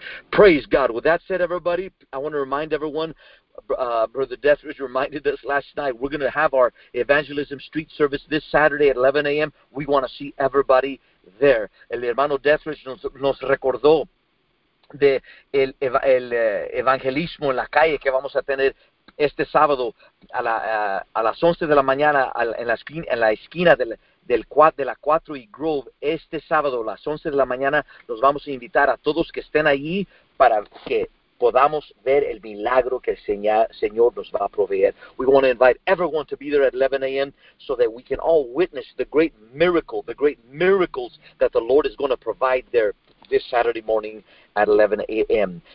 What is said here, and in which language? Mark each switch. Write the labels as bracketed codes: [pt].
[en] Praise God. With that said, everybody, I want to remind everyone, Brother Dethridge reminded us last night, we're going to have our evangelism street service this Saturday at 11 a.m. We want to see everybody there. [es] El hermano Dethridge nos recordó de el evangelismo en la calle que vamos a tener este sábado a las 11 de la mañana en la esquina de la 4 y Grove. Este sábado a las 11 de la mañana los vamos a invitar a todos que estén allí para que podamos ver el milagro que el Señor nos va a proveer. [en] We want to invite everyone to be there at 11 a.m. so that we can all witness the great miracle, the great miracles that the Lord is going to provide there this Saturday morning at 11 a.m.